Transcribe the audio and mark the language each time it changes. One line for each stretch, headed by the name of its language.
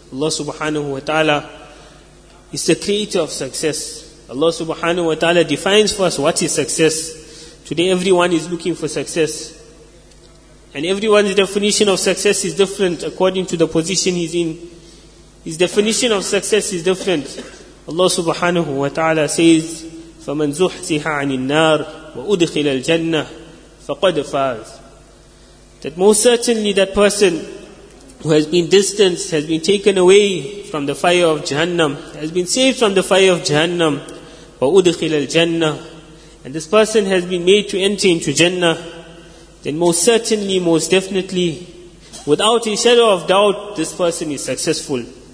English: Allah subhanahu wa ta'ala is the creator of success. Allah subhanahu wa ta'ala defines for us what is success. Today everyone is looking for success. And everyone's definition of success is different according to the position he's in. His definition of success is different. Allah subhanahu wa ta'ala says,
Arabic: فَمَنْ زُحْزِحَ عَنِ النَّارِ وَأُدْخِلَ الْجَنَّةِ فَقَدْ فَازْ.
English: That most certainly that person who has been distanced, has been taken away from the fire of Jahannam, has been saved from the fire of Jahannam,
Arabic: وَأُدْخِلَ الْجَنَّةِ,
English: and this person has been made to enter into Jannah, then most certainly, most definitely, without a shadow of doubt, this person is successful.